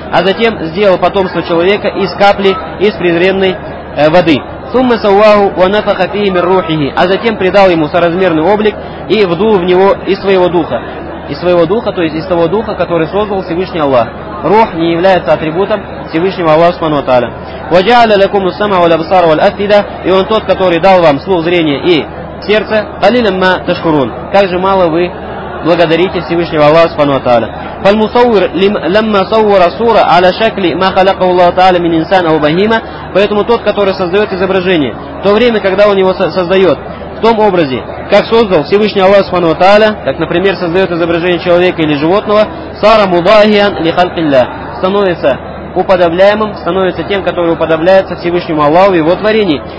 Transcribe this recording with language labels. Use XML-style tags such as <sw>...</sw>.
<ru>А затем сделал потомство человека из капли, из презренной воды.</ru> <ar>ثم سواه ونفخ فيه من روحه.</ar> <ru>А затем придал ему соразмерный облик и вдул в него из своего духа. Из своего духа, то есть из того духа, который создал Всевышний Аллах. Рух не является атрибутом Всевышнего Аллаха Субхану ва Тааля.</ru> <ar>وجعل لكم السمع والأبصار والأفئدة.</ar> <ru>И он тот, который дал вам слух, зрение и сердце.</ru> <ar>قليلا ما تشكرون.</ar> <ru>Как же мало вы благодарите Всевышнего Аллаха Субхану ва Тааля.</ru> <ar>فالمصور لما صور صورة على شكل ما خلقه الله تعالى من إنسان أو بهيمة.</ar> <ru>Поэтому тот, который создает изображение, в то время, когда он его создает, в том образе, как создал Всевышний Аллах Субхану ва Тааля, как, например, создает изображение человека или животного,</ru> <ar>сара мудахиан ли халькилля,</ar> <ru>становится уподобляемым, становится тем, который уподобляется Всевышнему Аллаху и его творении.</ru>